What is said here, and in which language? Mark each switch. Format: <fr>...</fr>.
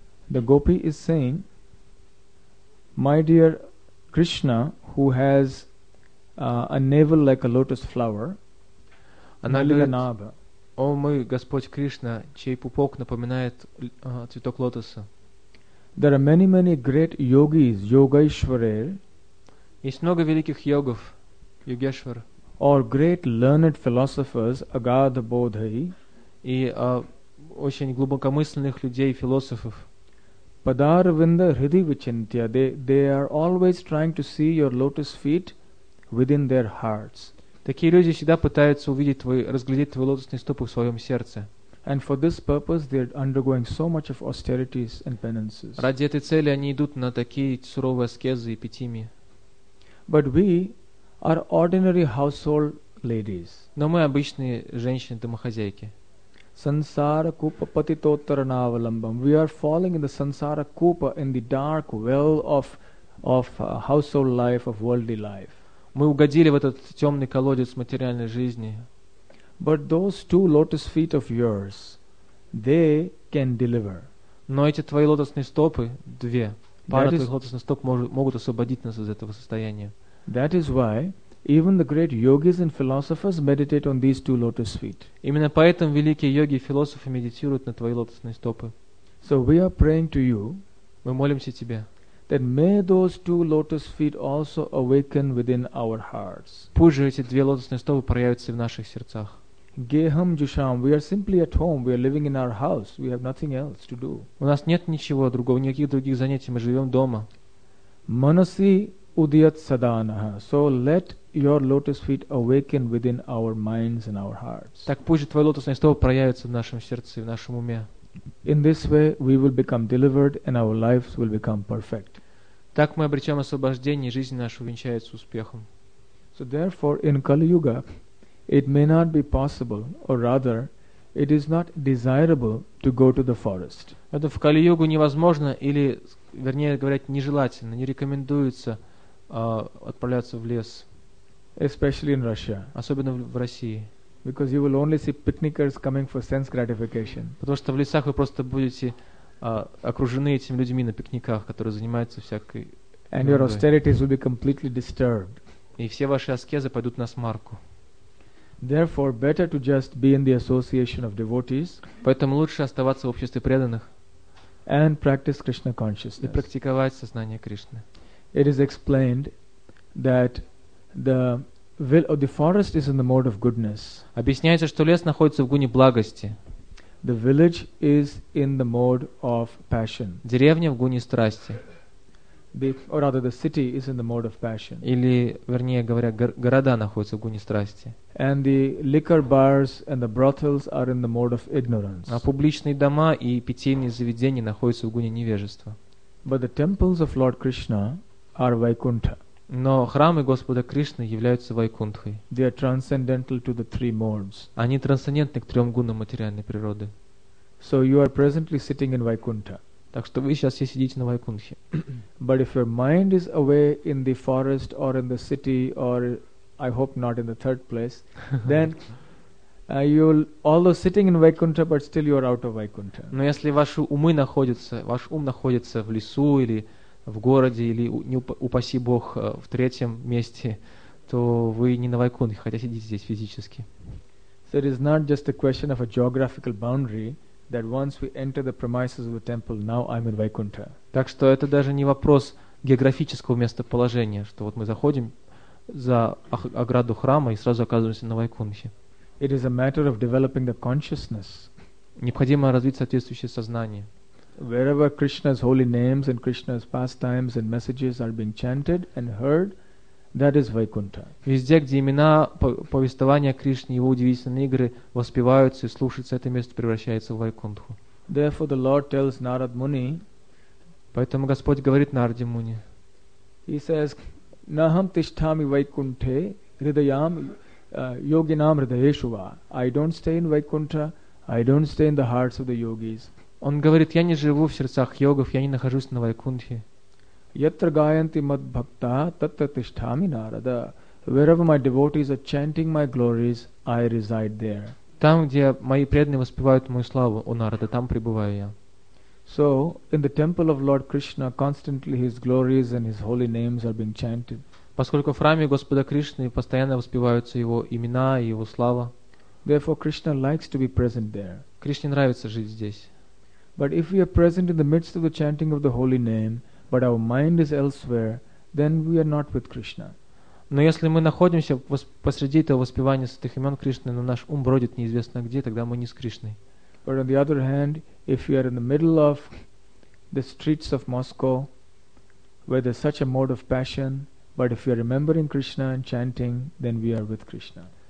<en>The gopi is saying, my dear Krishna, who has a navel like a lotus flower, Nalinanabha.</en> <ru>О мой Господь Кришна, чей пупок напоминает цветок лотоса.</ru> <en>There are many, many great yogis, Yogeshwarer,</en> <ru>Есть много великих йогов, йогешвар.</ru> <en>Or great learned philosophers, Agadha Bodhi.</en> <ru>И очень глубокомысленных людей, философов.</ru> <sa>Padaravinda Hridi Vichintya,</sa> <en>they are always trying to see your lotus feet within their hearts.</en> <ru>Такие люди всегда пытаются увидеть твой, разглядеть твои лотосные стопы в своем сердце.</ru> <en>And for this purpose, they're undergoing so much of austerities and penances.</en> <ru>Ради этой цели они идут на такие суровые аскезы и питими.</ru> <en>But we are ordinary household ladies.</en> <ru>Но мы обычные женщины-домохозяйки.</ru> <sa>Sansara kupa patitottaranavalambam.</sa> <en>We are falling in the sansara kupa, in the dark well of household life, of worldly life.</en> <ru>Мы угодили в этот темный колодец материальной жизни.</ru> <en>But those two lotus feet of yours, they can deliver.</en> <ru>Но эти твои лотосные стопы, две, пара твоих лотосных стоп могут освободить нас из этого состояния.</ru> <en>That is why even the great yogis and philosophers meditate on these two lotus feet.</en> <ru>Именно поэтому великие йоги и философы медитируют на твои лотосные стопы.</ru> <en>So we are praying to you.</en> <ru>Мы молимся тебе.</ru> <en>That may those two lotus feet also awaken within our hearts.</en> <ru>Пусть же эти две лотосные стопы проявятся в наших сердцах.</ru> <sa>Geham jusham,</sa> <en>we are simply at home. We are living in our house. We have nothing else to do.</en> <ru>У нас нет ничего другого, никаких других занятий. Мы живем дома.</ru> <sa>Manasi udiyat sadanaha.</sa> <en>So let your lotus feet awaken within our minds and our hearts.</en> <ru>Так пусть же твои лотосные стопы проявятся в нашем сердце и в нашем уме.</ru> <en>In this way, we will become delivered, and our lives will become perfect.</en> <ru>Так мы обретем освобождение, и жизнь наша увенчается успехом.</ru> <en>So therefore, in Kali Yuga, it may not be possible, or rather, it is not desirable to go to the forest.</en> <ru>Это в Кали Югу невозможно, или, вернее говоря, нежелательно, не рекомендуется отправляться в лес.</ru> <en>Especially in Russia.</en> <ru>Особенно в России.</ru> <en>Because you will only see picnickers coming for sense gratification.</en> <ru>Потому что в лесах вы просто будете окружены этими людьми на пикниках, которые занимаются всякой.</ru> <en>And your austerities will be completely disturbed.</en> <ru>И все ваши аскезы пойдут на смарку.</ru> <en>Therefore, better to just be in the association of devotees.</en> <ru>Поэтому лучше оставаться в обществе преданных.</ru> <en>And practice Krishna consciousness.</en> <ru>И практиковать сознание Кришны.</ru> <en>It is explained that the will of the forest is in the mode of goodness.</en> <ru>Объясняется, что лес находится в гуне благости.</ru> <en>The village is in the mode of passion.</en> <ru>Деревня в гуне страсти.</ru> <en>The city is in the mode of passion.</en> <ru>Или, вернее говоря, города находятся в гуне страсти.</ru> <en>And the liquor bars and the brothels are in the mode of ignorance.</en> <ru>А публичные дома и питейные заведения находятся в гуне невежества.</ru> <en>But the temples of Lord Krishna are Vaikuntha.</en> <ru>Но храмы Господа Кришны являются Вайкунтхой. Они трансцендентны к трем гунам материальной природы.</ru> <en>So you are presently sitting in Vaikuntha.</en> <ru>Так что вы сейчас все сидите на Вайкунтхе.</ru> <en>But if your mind is away in the forest or in the city or I hope not in the third place, then although sitting in Vaikuntha, but still you are out of Vaikuntha.</en> <ru>Но если ваш ум находится в лесу или в городе, или, упаси Бог, в третьем месте, то вы не на Вайкунтхе, хотя сидите здесь физически.</ru> <en>So it is not just a question of a geographical boundary, that once we enter the premises of the temple, now I'm in Vaikuntha.</en> <ru>Так что это даже не вопрос географического местоположения, что вот мы заходим за ограду храма и сразу оказываемся на Вайкунтхе.</ru> <en>It is a matter of developing the consciousness.</en> <ru>Необходимо развить соответствующее сознание.</ru> <en>Wherever Krishna's holy names and Krishna's pastimes and messages are being chanted and heard, that is Vaikuntha.</en> <ru>Везде, где имена, повествования о Кришне, его удивительные игры воспеваются и слушаются, это место превращается в Вайкунтху.</ru> <en>Therefore, the Lord tells Narad Muni.</en> <ru>Поэтому Господь говорит Нараде Муни.</ru> <en>He says,</en> <sa>Naham tishthami Vaikunthe hridayam yoginam hridayeshuva.</sa> <en>I don't stay in Vaikuntha. I don't stay in the hearts of the yogis.</en> <ru>Он говорит, я не живу в сердцах йогов, я не нахожусь на Вайкунтхе.</ru> <sa>Yatra gayanti mad bhakta tatra tishthami narada.</sa> <en>Wherever my devotees are chanting my glories, I reside there.</en> <ru>Там, где мои преданные воспевают мою славу, о Нарада, там пребываю я.</ru> <en>So, in the temple of Lord Krishna, constantly his glories and his holy names are being chanted.</en> <ru>Поскольку в храме Господа Кришны постоянно воспеваются его имена и его слава.</ru> <en>Therefore, Krishna likes to be present there.</en> <ru>Кришне нравится жить здесь.</ru> <en>But if we are present in the midst of the chanting of the holy name, but our mind is elsewhere, then we are not with Krishna.</en> <ru>Но если мы находимся посреди этого воспевания святых имен Кришны, но наш ум бродит неизвестно где, тогда мы не с Кришной.</ru> <en>But on the other hand, if we are in the middle of the streets of Moscow, where there's such a mode of passion, but if we are remembering Krishna and chanting, then we are with Krishna.</en>